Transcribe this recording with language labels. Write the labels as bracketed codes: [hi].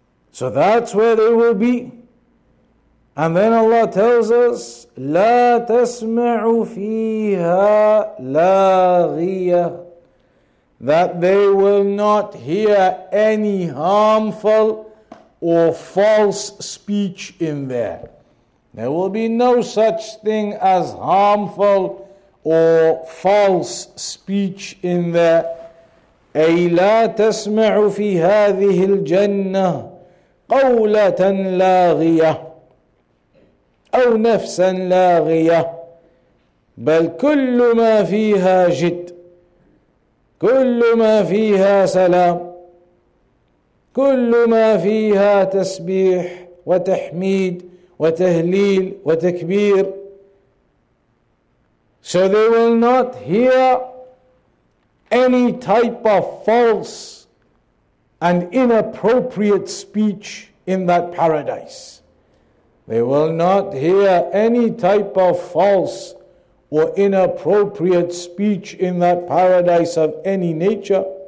[en] So that's where they will be. And then Allah tells us, [ar] لَا تَسْمَعُ فِيهَا لَاغِيَةً, [en] that they will not hear any harmful or false speech in there. There will be no such thing as harmful or false speech in there. [ar] أَيْ لَا تَسْمَعُ فِي هَذِهِ الْجَنَّةِ قَوْلَةً لَاغِيَةً أو نفسا لاغية بل كل ما فيها جد كل ما فيها سلام كل ما فيها تسبيح وتحميد وتهليل وتكبير. [en] So they will not hear any type of false and inappropriate speech in that paradise. They will not hear any type of false or inappropriate speech in that paradise of any nature.